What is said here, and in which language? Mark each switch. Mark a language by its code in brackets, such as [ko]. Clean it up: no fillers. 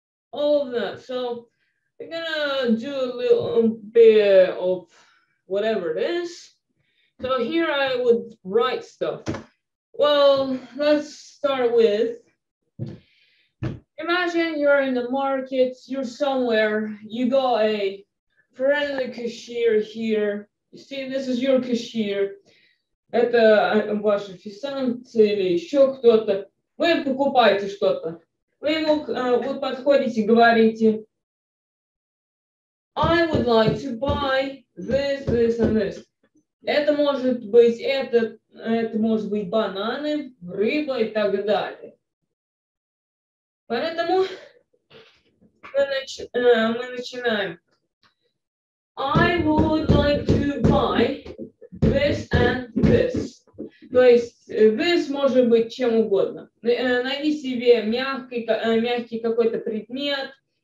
[en] All of that. So we're gonna do a little bit of whatever it is. So here I would write stuff. Well, let's start with. Imagine you're in the market, you're somewhere, you got a friendly cashier here. You see, this is your cashier. [ru] Это ваш официант или еще кто-то. Вы покупаете что-то. Вы ему вот подходите, говорите. [en] I would like to buy this, this and this. [ru] Это может быть это может быть бананы, рыба и так далее. Поэтому мы начинаем. [en] I would like to buy this and this. [ru] То есть this может быть чем угодно. Найди себе мягкий какой-то предмет.